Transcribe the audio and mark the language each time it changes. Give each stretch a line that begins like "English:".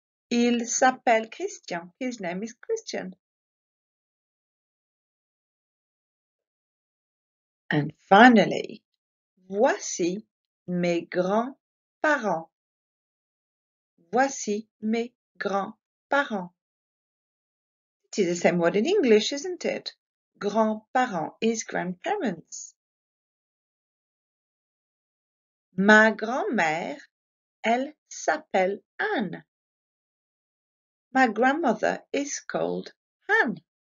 French: Il s'appelle Christian.
English: His name is Christian. And finally,
French: voici mes grands-parents. Voici mes grands-parents.
English: It is the same word in English, isn't it? Grands-parents is grandparents.
French: Ma grand-mère, elle s'appelle Anne.
English: My grandmother is called Anne.